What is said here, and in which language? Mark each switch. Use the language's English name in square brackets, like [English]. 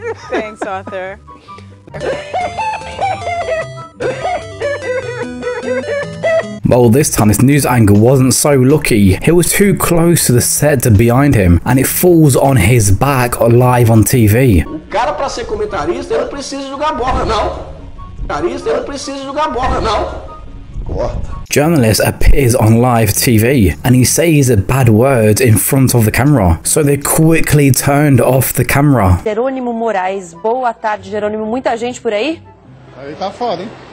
[English] Thanks, Arthur. Well, this time this news anchor wasn't so lucky. He was too close to the set to behind him, and it falls on his back live on TV. [Portuguese] O cara pra ser comentarista, ele não precisa jogar bola, não. Comentarista, ele não precisa jogar bola, não. Corta. [English] Journalist appears on live TV, and he says a bad word in front of the camera, so they quickly turned off the camera. [Portuguese] Jerônimo Moraes, boa tarde, Jerônimo. Muita gente por aí? Aí tá foda, hein?